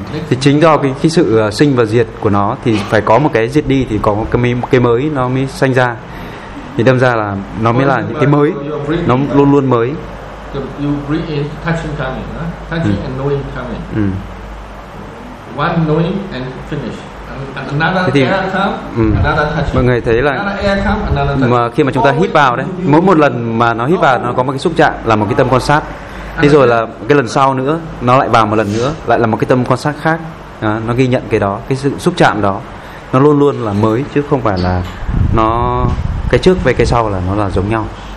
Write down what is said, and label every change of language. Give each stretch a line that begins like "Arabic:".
Vietnamese: Thì chính do cái sự sinh và diệt của nó, thì phải có một cái diệt đi thì có cái mới nó mới sanh ra. Thì đâm ra là nó mới là những cái mới, nó luôn luôn mới.
English: You bring in touching coming, and knowing coming. One knowing and finish.
Vietnamese: Thế thì mọi người thấy là mà khi mà chúng ta hít vào đấy, mỗi một lần mà nó hít vào nó có một cái xúc chạm là một cái tâm quan sát. Thế rồi là cái lần sau nữa nó lại vào một lần nữa, lại là một cái tâm quan sát khác. Đó, nó ghi nhận cái đó, cái sự xúc chạm đó nó luôn luôn là mới, chứ không phải là nó cái trước với cái sau là nó là giống nhau.